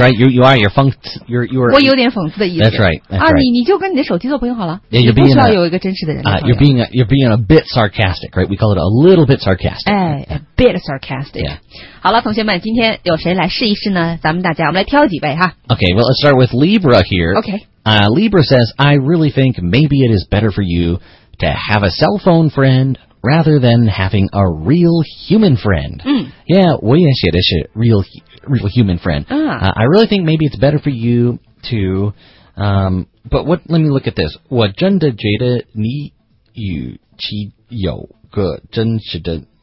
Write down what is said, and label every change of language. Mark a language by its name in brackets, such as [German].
[English] That's right. You are [Chinese] 我有点讽刺的意思。 [English] That's right. That's right. [Chinese] 啊，你就跟你的手机做朋友好了。 [English] Yeah, you're being [Chinese] 不需要有一个真实的人类朋友。 [English] You're being a bit sarcastic, right? We call it a little bit sarcastic. A bit sarcastic. Yeah. [Chinese] 好了，同学们，今天有谁来试一试呢？咱们大家，我们来挑几位哈。 [English] Okay, well, let's start with Libra here. Okay. Libra says, I really think maybe it is better for you to have a cell phone friend. Rather than having a real human friend. Yeah, [Chinese] 我也写的是 [English] real human friend. I really think maybe it's better for you to... let me look at this. [Chinese] 我真的觉得你与其有个真实的...